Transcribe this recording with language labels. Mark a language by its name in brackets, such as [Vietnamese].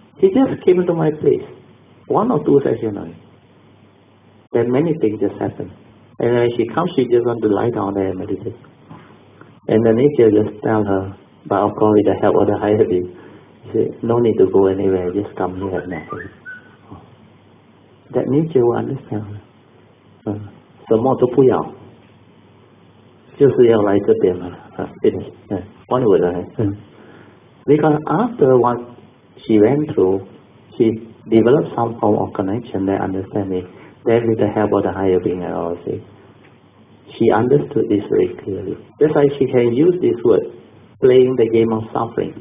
[English] He just came to my place, one or two sessions only. Then many things just happen. And when she comes, she just wants to lie down there and meditate. And the nature just tell her, but of course with the help of the higher being, she said, no need to go anywhere, just come here and meditate. That nature will understand her. [Chinese] 什么都不要，就是要来这边嘛。 [English] Finish. Because after what she went through, she developed some form of connection and understanding. Then with the help of the higher being, I will say, she understood this very clearly. That's why she can use this word, playing the game of suffering.